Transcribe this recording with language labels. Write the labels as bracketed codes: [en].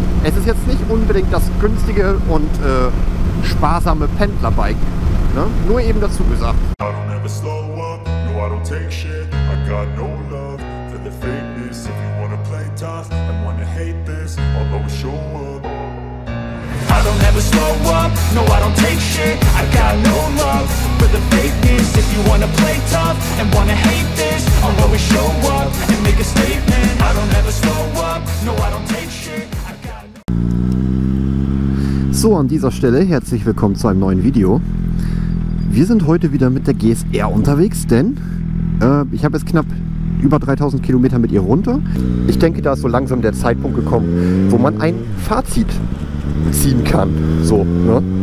[de] Es ist jetzt nicht unbedingt das günstige und sparsame Pendlerbike. Ne? Nur eben dazu gesagt. [en] I don't ever slow up, no I don't take shit. I got no love for the fakeness. If you wanna play tough and wanna hate this, I'll always show up. I don't ever slow up, no I don't take shit. I got no love for the fakeness. If you wanna play tough and wanna hate this, I'll always show up and make a statement. I don't ever slow up, no I don't take shit. [de] So, an dieser Stelle herzlich willkommen zu einem neuen Video. Wir sind heute wieder mit der GSR unterwegs, denn ich habe jetzt knapp über 3000 Kilometer mit ihr runter. Ich denke, da ist so langsam der Zeitpunkt gekommen, wo man ein Fazit ziehen kann. So, ne?